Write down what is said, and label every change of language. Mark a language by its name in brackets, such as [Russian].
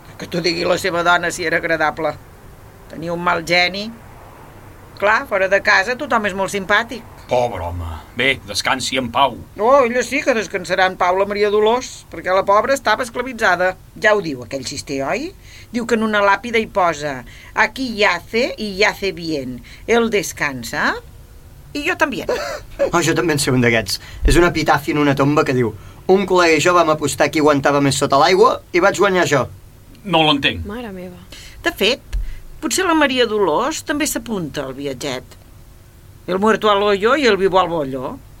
[Catalan] Que t'ho digui la seva dona si era agradable. Tenia un mal geni. Clar, fora de casa tothom és molt simpàtic. Pobre home. Bé, descansi en pau. No, ella sí que descansarà en pau la Maria Dolors, perquè la pobra estava esclavitzada. Ja ho diu aquell cister, oi? Diu que en una làpida hi posa [Spanish] aquí yace y yace bien. Él descansa [Catalan] i jo també. Oh, jo també en sé un d'aquests. És un epitafi en una tomba que diu: un col·lega i jo vam apostar qui aguantava més sota l'aigua i vaig guanyar jo. No l'entenc. Mare meva. De fet, potser la Maria Dolors també s'apunta al viatget. [Spanish] El muerto al hoyo i el vivo al bollo.